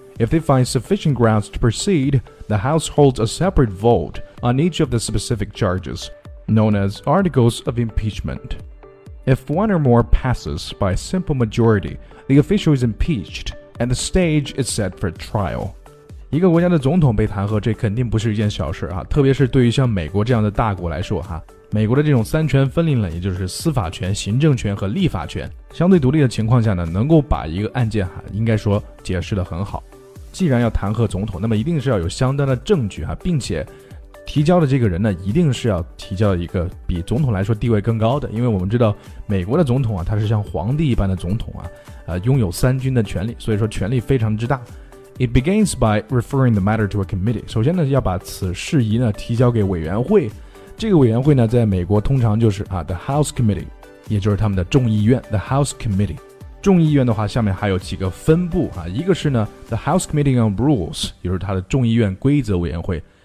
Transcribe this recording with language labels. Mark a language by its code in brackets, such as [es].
[en] If they find sufficient grounds to proceed, the House holds a separate vote on each of the specific charges, known as articles of impeachment. If one or more passes by a simple majority, the official is impeached, and the stage is set for trial. [zh] 一个国家的总统被弹劾，这肯定不是一件小事啊，特别是对于像美国这样的大国来说哈，美国的这种三权分立呢，也就是司法权、行政权和立法权，相对独立的情况下呢，能够把一个案件哈，应该说解释得很好。既然要弹劾总统，那么一定是要有相当的证据哈，并且提交的这个人呢，一定是要提交一个比总统来说地位更高的，因为我们知道美国的总统啊，他是像皇帝一般的总统啊，拥有三军的权利，所以说权力非常之大。 [en] It begins by referring the matter to a committee. [zh] 首先呢，要把此事宜呢提交给委员会。这个委员会呢，在美国通常就是啊 ，the House Committee， 也就是他们的众议院 ，the House Committee。众议院的话，下面还有几个分部啊，一个是呢 ，the House Committee on Rules， 也就是他的众议院规则委员会。